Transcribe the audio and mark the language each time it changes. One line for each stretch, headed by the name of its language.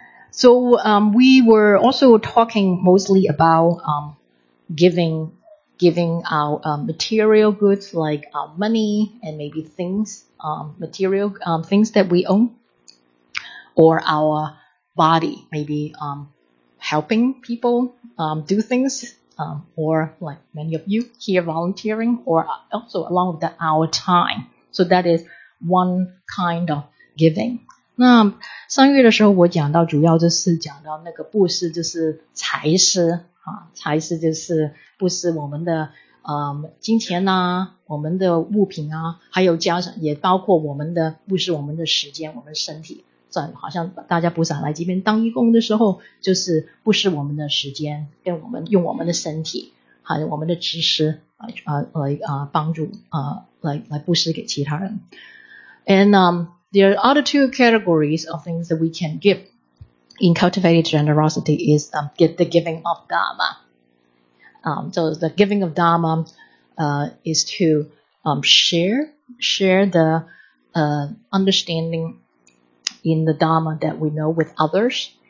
English: So we were also talking mostly about giving our material goods like our money and maybe things, material things that we own, or our body, maybe helping people do things or like many of you here volunteering, or also along with that, our time. So that is one kind of giving.
Chinese: 那上月的时候我讲到主要就是讲到那个布施就是财施、啊、财施就是布施我们的金钱啊，我们的物品啊，还有加上也包括我们的布施我们的时间我们的身体，算好像大家菩萨来这边当义工的时候就是布施我们的时间跟我们用我们的身体还有我们的知识帮助来布施给其他人。
English: And there are other two categories of things that we can give in cultivated generosity is get the giving of Dharma. So the giving of Dharma is to share the understanding in the Dharma that we know with others.